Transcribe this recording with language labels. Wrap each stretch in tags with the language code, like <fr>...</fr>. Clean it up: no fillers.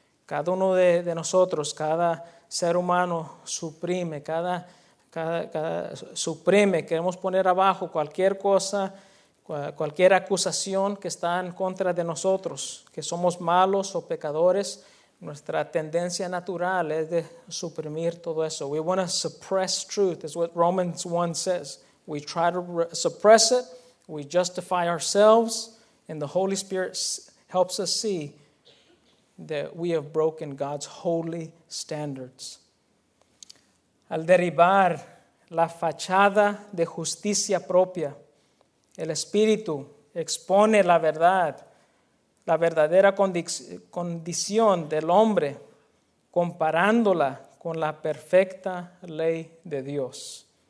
<es>Cada uno de nosotros, cada ser humano suprime, cada suprime, queremos poner abajo cualquier cosa, cualquier acusación que está en contra de nosotros, que somos malos o pecadores. Nuestra tendencia natural es de suprimir todo eso.</es> <en>We want to suppress truth, is what Romans 1 says. We try to suppress it, we justify ourselves, and the Holy Spirit helps us see that we have broken God's holy standards.</en> <es>Al derribar la fachada de justicia propia, el Espíritu expone la verdad, la verdadera condición del hombre, comparándola con la perfecta ley de Dios.</es>